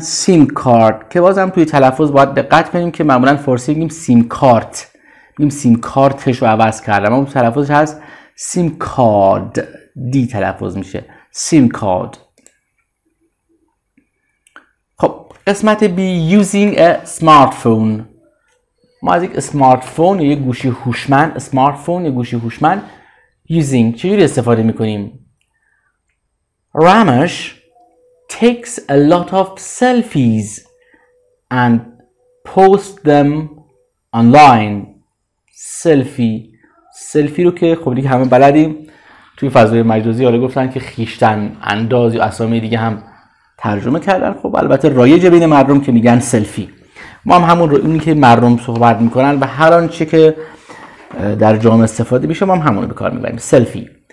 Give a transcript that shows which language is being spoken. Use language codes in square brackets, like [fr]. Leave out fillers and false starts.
[fa] sim card که بازم توی تلفظ باید دقت کنیم که معمولا فارسی میگیم sim card، میگیم sim cardش رو عوض کردم، اما تلفظش هست sim card، دی تلفظ میشه سیم کارد. خب قسمت بی، [en] using a smartphone. [fa] ما از یک smartphone یا یک گوشی هوشمند، smartphone یا گوشی هوشمند، using چجوری استفاده میکنیم. [en] Ramesh takes a lot of selfies and post them online. [fa] سلفی، سلفی رو که خب دیگه همه بلدیم توی فضای مجازی، حالا گفتن که خیشتن انداز یا اسامی دیگه هم ترجمه کردن، خب البته رایج بین مردم که میگن سلفی، ما هم همون رو اونی که مردم صحبت میکنن و هر آن چه که در جامعه استفاده میشه ما هم همون رو به کار میبریم، سلفی.